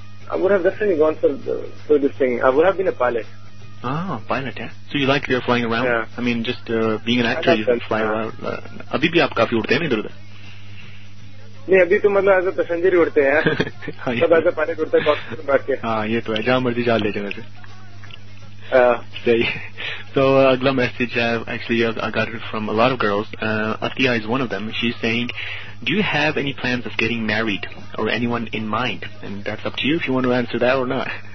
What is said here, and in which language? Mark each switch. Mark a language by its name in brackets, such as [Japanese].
[English] I would have definitely gone for this thing. I would have been a pilot. Ah, pilot, yeah. So you like flying around? Yeah. I mean, just being an actor, you can fly around. [Hindi] Abhi bhi aap kaafi udte hai na idhar udhar. नहीं अभी तो मतलब as a passenger ही उड़ते हैं सब [English] as a pilot [Hindi] उड़ते हैं cockpit में बैठ के हाँ ये तो है जहाँ मर्जी जा ले जाने से [English] So, Agla message, actually, I got it from a lot of girls. Atiya is one of them. She's saying, do you have any plans of getting married or anyone in mind? And that's up to you if you want to answer that or not.